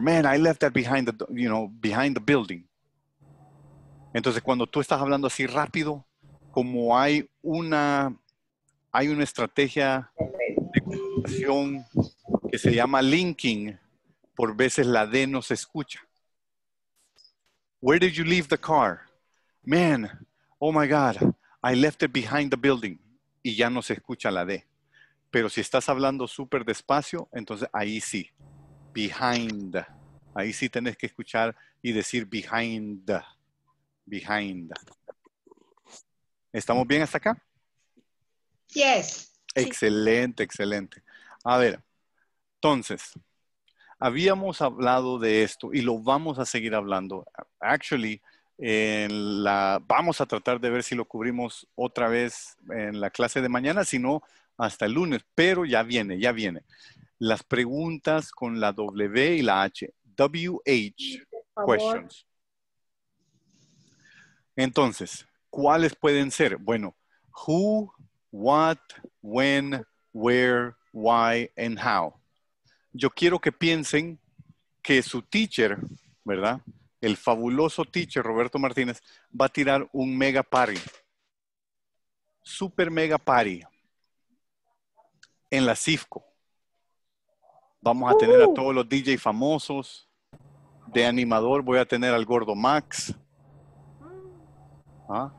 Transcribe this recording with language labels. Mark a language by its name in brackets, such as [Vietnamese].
[English] Man, I left that behind the, you know, behind the building. [Spanish] Entonces cuando tú estás hablando así rápido, como hay una estrategia de comunicación que se llama linking, por veces la D no se escucha. [English] Where did you leave the car? Man, oh my God, I left it behind the building. [Spanish] Y ya no se escucha la D. Pero si estás hablando súper despacio, entonces ahí sí, behind. Ahí sí tenés que escuchar y decir behind, behind. ¿Estamos bien hasta acá? [English] Yes. [Spanish] Excelente, excelente. A ver, entonces, habíamos hablado de esto y lo vamos a seguir hablando. Actually, vamos a tratar de ver si lo cubrimos otra vez en la clase de mañana, si no, hasta el lunes. Pero ya viene, ya viene. Las preguntas con la W y la H. [English] WH questions. [Spanish] Entonces, ¿cuáles pueden ser? [English] Bueno, who, what, when, where, why, and how. [Spanish] Yo quiero que piensen que su teacher, ¿verdad? El fabuloso teacher Roberto Martínez va a tirar un mega party. Super mega party. En la CIFCO. Vamos a tener a todos los DJ famosos. De animador voy a tener al Gordo Max. ¿Ah?